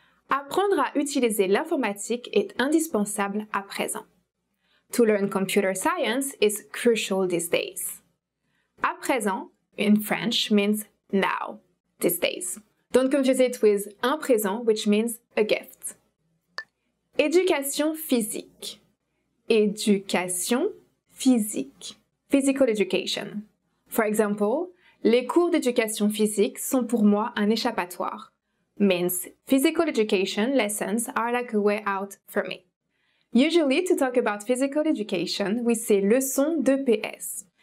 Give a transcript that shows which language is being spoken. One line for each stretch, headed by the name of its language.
French: Apprendre à utiliser l'informatique est indispensable à présent.
English: To learn computer science is crucial these days. À présent, in French, means now, these days. Don't confuse it with un présent, which means a gift.
French: Éducation physique.
English: Physical education. For example,
French: les cours d'éducation physique sont pour moi un échappatoire.
English: Means physical education lessons are like a way out for me. Usually, to talk about physical education, we say leçon d'EPS.